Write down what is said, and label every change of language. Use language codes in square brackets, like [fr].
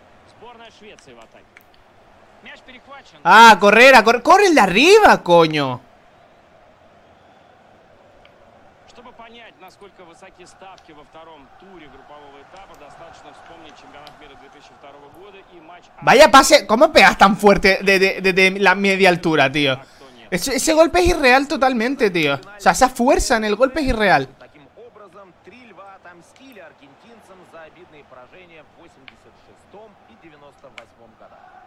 [ru] Сборная Швеции в атаке. Мяч перехвачен. [es] Ah, correr, corre de arriba, coño. [ru] Чтобы понять, насколько высоки ставки во втором туре группового этапа, достаточно вспомнить чемпионат мира 2002 года и матч. [es] Vaya pase, ¿cómo pegas tan fuerte de la media altura, tío? Ese golpe es irreal totalmente, tío. O sea, esa fuerza en el golpe es irreal. [ru] Таким образом, три льва отомстили аргентинцам за обидные поражения в 86-м и 98-м годах.